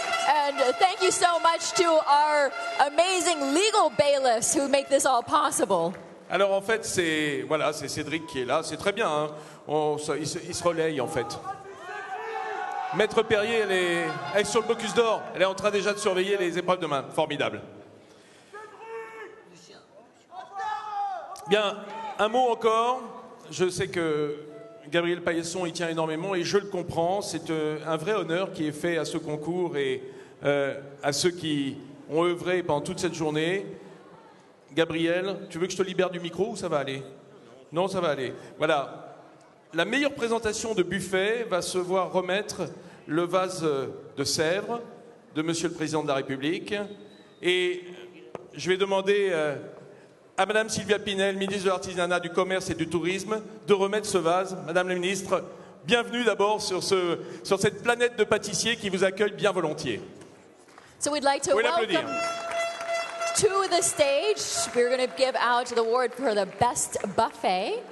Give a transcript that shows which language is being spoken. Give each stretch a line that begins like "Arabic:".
English: And thank you so much to our amazing legal bailiffs who make this all possible.
French: Alors en fait, c'est Cédric qui est là. C'est très bien. Hein. Il se relaye en fait. Maître Perrier, elle est sur le Bocuse d'or. Elle est en train déjà de surveiller les épreuves demain. Formidable. Bien, un mot encore. Je sais que Gabriel Payasson y tient énormément et je le comprends. C'est un vrai honneur qui est fait à ce concours et à ceux qui ont œuvré pendant toute cette journée. Gabriel, tu veux que je te libère du micro ou ça va aller ? Non, ça va aller. Voilà. La meilleure présentation de buffet va se voir remettre le vase de Sèvres de Monsieur le Président de la République. Et je vais demander à Madame Sylvia Pinel, ministre de l'Artisanat, du Commerce et du Tourisme, de remettre ce vase. Madame la ministre, bienvenue d'abord sur cette planète de pâtissiers qui vous accueille bien volontiers.
English: So we'd like to welcome to the stage. We're going to give out the award for the best buffet.